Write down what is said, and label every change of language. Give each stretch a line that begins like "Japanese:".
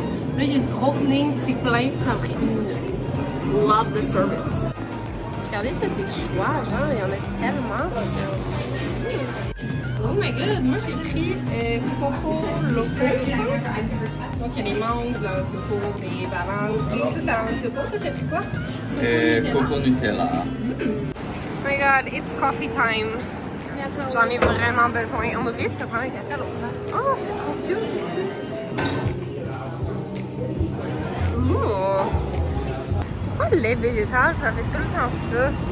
French: Là, il y a une grosse ligne, c'est plein, ça a pris une minute.
English: Love the service!
French: Regardez tous les choix, genre, il y en a tellement!
English: Oh my god,
French: moi j'ai pris coco loco. Donc il y a des mangues, de l'anthe coco, des bananes. Et ça, c'est l'anthe coco. Ça, t'as pris quoi? Coco Nutella.
English: Oh my god, it's coffee time.
French: J'en ai vraiment besoin. On a oublié de se prendre un café à l'autre. Oh, c'est trop cute ici. Pourquoi lait végétal, ça fait tout le temps ça?